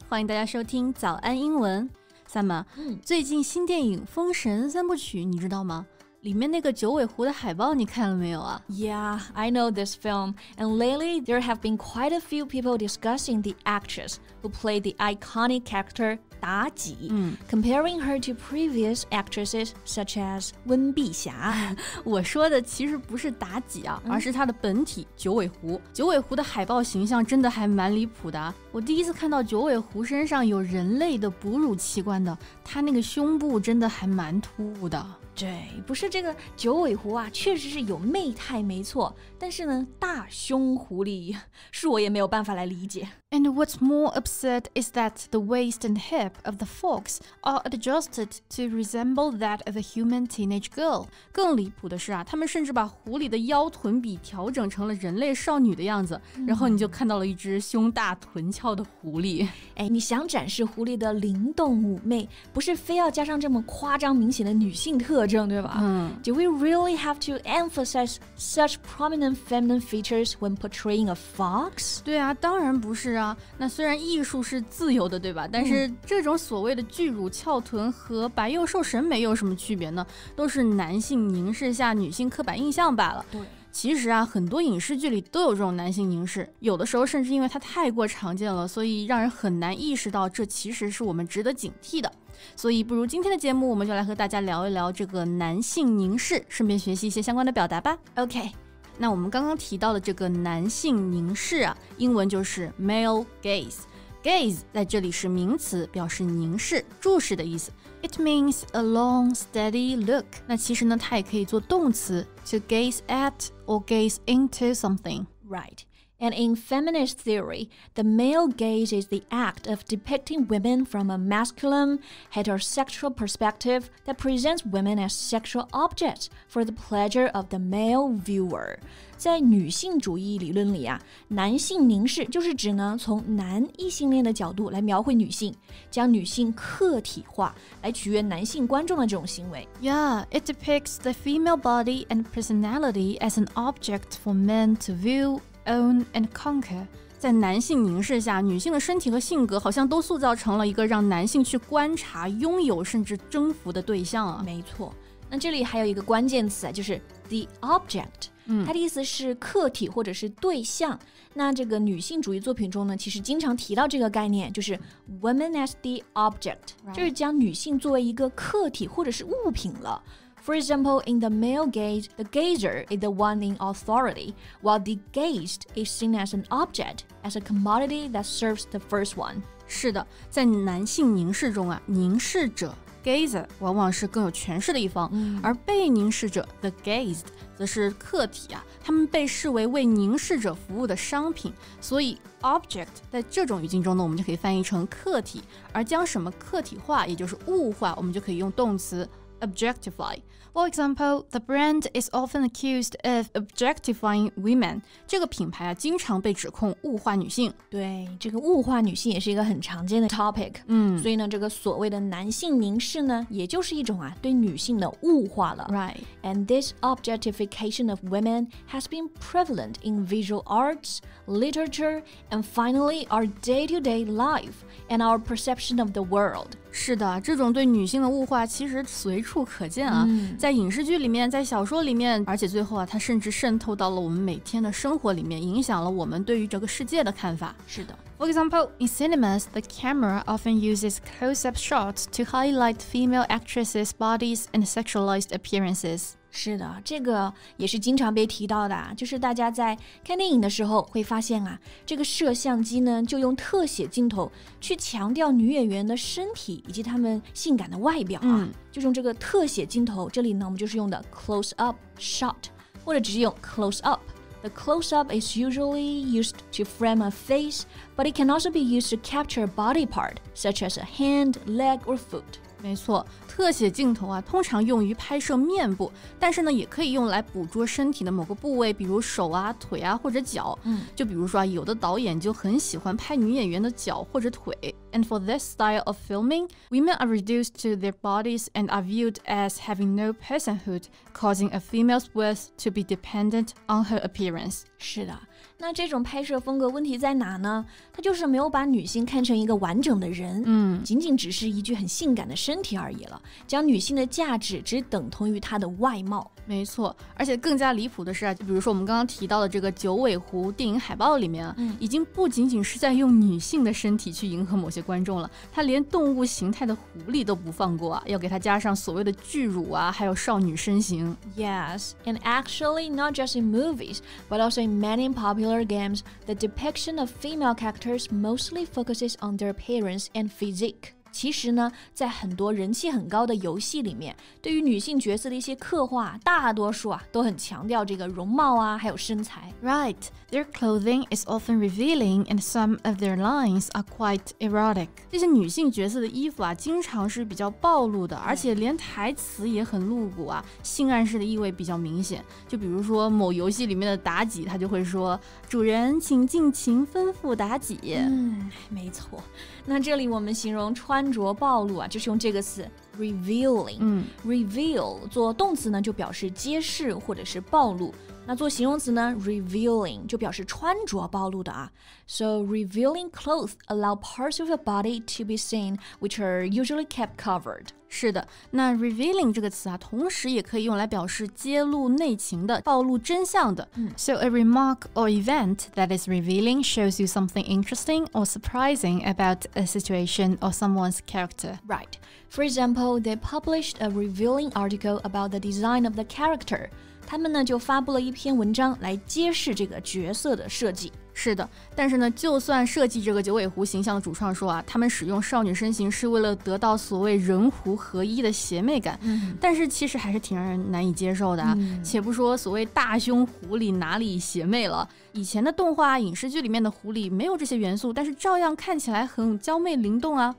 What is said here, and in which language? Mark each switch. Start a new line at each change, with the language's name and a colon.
Chinese: 欢迎大家收听早安英文。Summer, 最近新电影《封神三部曲》你知道吗？里面那个九尾狐的海报你看了没有啊
English: ？Yeah, I know this film. And lately, there have been quite a few people discussing the actress who played the iconic character妲己, comparing her to previous actresses such as
Chinese: 温碧霞。我说的其实不是妲己啊，而是她的本体九尾狐。九尾狐的海报形象真的还蛮离谱的。我第一次看到九尾狐身上有人类的哺乳器官的，它那个胸部真的还蛮突兀的。对，不是这个九尾狐啊，确实是有媚态没错，但是呢，大胸狐狸是我也没有办法来理解。
English: And what's more absurd is that the waist and hip of the fox are adjusted to resemble that of a human teenage girl.
Chinese: 更离谱的是啊，他们甚至把狐狸的腰臀比调整成了人类少女的样子，然后你就看到了一只胸大臀翘的狐狸。哎，你想展示狐狸的灵动妩媚，不是非要加上这么夸张明显的女性特征，对吧？
English: Do we really have to emphasize such prominent feminine features when portraying a fox?
Chinese: 对啊，当然不是。是啊，那虽然艺术是自由的，对吧？但是这种所谓的巨乳翘臀和白幼瘦审美有什么区别呢？都是男性凝视下女性刻板印象罢了。对，其实啊，很多影视剧里都有这种男性凝视，有的时候甚至因为它太过常见了，所以让人很难意识到这其实是我们值得警惕的。所以不如今天的节目我们就来和大家聊一聊这个男性凝视，顺便学习一些相关的表达吧。
English: OK，
Chinese: 那我们刚刚提到的这个男性凝视啊，英文就是 male gaze。 Gaze 在这里是名词，表示凝视、注视的意思。
English: It means a long, steady look.
Chinese: 那其实呢，它也可以做动词，
English: to gaze at or gaze into something. Right. And in feminist theory, the male gaze is the act of depicting women from a masculine, heterosexual perspective that presents women as sexual objects for the pleasure of the male viewer.
Chinese: 在女性主义理论里啊，男性凝视就是指呢，从男异性恋的角度来描绘女性，将女性客体化，来取悦男性观众的这种行为。
English: Yeah, it depicts the female body and personality as an object for men to view. Own and conquer.
Chinese: 在男性凝视下，女性的身体和性格好像都塑造成了一个让男性去观察、拥有甚至征服的对象啊。没错，那这里还有一个关键词啊，就是 the object。它的意思是客体或者是对象。那这个女性主义作品中呢，其实经常提到这个概念，就是
English: women as the object，
Chinese: 就是将女性作为一个客体或者是物品了。
English: For example, in the male gaze, the gazer is the one in authority, while the gazed is seen as an object, as a commodity that serves the first one.
Chinese: 是的，在男性凝视中啊，凝视者 gazer 往往是更有权势的一方，而被凝视者
English: the gazed
Chinese: 则是客体啊，他们被视为为凝视者服务的商品。所以 object 在这种语境中呢，我们就可以翻译成客体，而将什么客体化，也就是物化，我们就可以用动词。
English: Objectify. For example, the brand is often accused of objectifying women.
Chinese: 这个品牌啊，经常被指控物化女性。对，这个物化女性也是一个很常见的 topic. 所以呢，这个所谓的男性凝视呢，也就是一种啊，对女性的物化了。
English: Right. And this objectification of women has been prevalent in visual arts, literature, and finally our day-to-day life and our perception of the world.
Chinese: 是的，这种对女性的物化其实随处可见啊，在影视剧里面，在小说里面，而且最后啊，它甚至渗透到了我们每天的生活里面，影响了我们对于这个世界的看法。是的。
English: For example, in cinemas, the camera often uses close-up shots to highlight female actresses' bodies and sexualized appearances.
Chinese: 是的，这个也是经常被提到的，就是大家在看电影的时候会发现啊，这个摄像机呢，就用特写镜头去强调女演员的身体以及她们性感的外表啊，就用这个特写镜头，这里呢，我们就是用的 close-up shot, 或者直接用 close-up.
English: The close-up is usually used to frame a face, but it can also be used to capture a body part, such as a hand, leg, or foot.
Chinese: 没错，特特写镜头啊，通常用于拍摄面部，但是呢，也可以用来捕捉身体的某个部位，比如手啊、腿啊或者脚。嗯，就比如说啊，有的导演就很喜欢拍女演员的脚或者腿。
English: And for this style of filming, women are reduced to their bodies and are viewed as having no personhood, causing a female's worth to be dependent on her appearance.
Chinese: 是的，那这种拍摄风格问题在哪呢？它就是没有把女性看成一个完整的人，嗯，仅仅只是一具很性感的身体而已了，将女性的价值只等同于她的外貌。没错，而且更加离谱的是啊，就比如说我们刚刚提到的这个九尾狐电影海报里面啊，嗯，已经不仅仅是在用女性的身体去迎合某些观众了，他连动物形态的狐狸都不放过啊，要给他加上所谓的巨乳啊，还有少女身形。
English: Yes, and actually not just in movies, but also in many popular games, the depiction of female characters mostly focuses on their appearance and physique.
Chinese: 其实呢，在很多人气很高的游戏里面，对于女性角色的一些刻画，大多数啊，都很强调这个容貌啊，还有身材。
English: Right, their clothing is often revealing and some of their lines are quite erotic.
Chinese: 这些女性角色的衣服啊，经常是比较暴露的，而且连台词也很露骨啊，性暗示的意味比较明显。就比如说某游戏里面的妲己，她就会说，主人，请尽情吩咐妲己。嗯，没错。那这里我们形容穿着暴露啊，就是用这个词 revealing、嗯、 reveal 做动词呢就表示揭示或者是暴露，那做形容词呢 revealing 就表示穿着暴露的啊。
English: So revealing clothes allow parts of the body to be seen which are usually kept covered.
Chinese: 是的，那 revealing 这个词啊，同时也可以用来表示揭露内情的，暴露真相的、嗯、
English: So a remark or event that is revealing shows you something interesting or surprising about a situation or someone's character. Right. For example, they published a revealing article about the design of the character.
Chinese: 他们呢就发布了一篇文章来揭示这个角色的设计。是的，但是呢，就算设计这个九尾狐形象的主创说啊，他们使用少女身形是为了得到所谓人狐合一的邪魅感、嗯、但是其实还是挺让人难以接受的啊、嗯、且不说所谓大胸狐狸哪里邪魅了，以前的动画影视剧里面的狐狸没有这些元素，但是照样看起来很娇媚灵动啊。